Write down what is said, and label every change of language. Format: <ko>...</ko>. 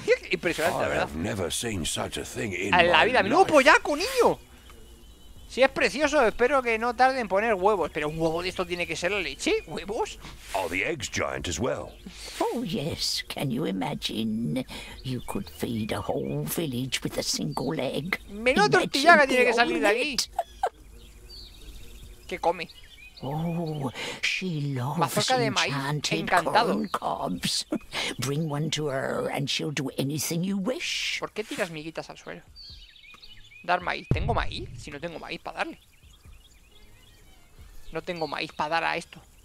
<es>Impresionante, la verdad. En la vida. ¡No, pollaco, niño! Si es precioso, espero que no tarde en poner huevos. Pero un huevo de esto tiene que ser la leche. ¿Huevos?</es> <en>Are the eggs giant as well? Oh, yes. Can you imagine? You could feed a whole village with a single egg.</en> <es>Menos tortillaga tiene que salir de aquí. ¿Qué come?</es> <en>Oh, she loves enchanted corn cobs. Bring one to her and she'll do anything you wish.</en> <es>¿Por qué tiras miguitas al suelo? Dar maíz. ¿Tengo maíz? Si no tengo maíz para darle. No tengo maíz para dar a esto.</es>